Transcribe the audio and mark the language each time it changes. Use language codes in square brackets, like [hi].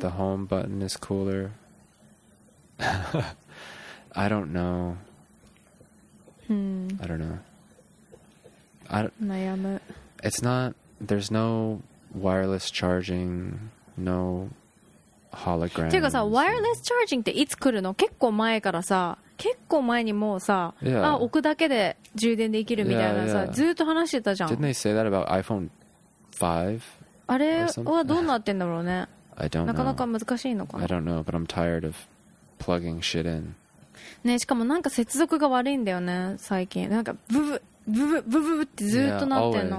[en] The home button is cooler. I don't know. I don't know. I don't... [ja] 悩む。 [en] It's not, there's no wireless charging, no holograms. [ja] てかさ、wireless charging っていつ来るの？結構前からさ、結構前にもうさ、 [en] yeah. [ja] あ、置くだけで充電できるみたいなさ、 [en] yeah, yeah. [ja] ずっと話してたじゃん。 [en] Didn't they say that about iPhone 5? [ja] あれはどうなってんだろうね。 [en] I don't know. [ja] なかなか難しいのかな。 [en] I don't know, but I'm tired of plugging shit in. [ja] ね、しかもなんか接続が悪いんだよね、最近。なんかブブッ。ブブブブブってずっとなってんの。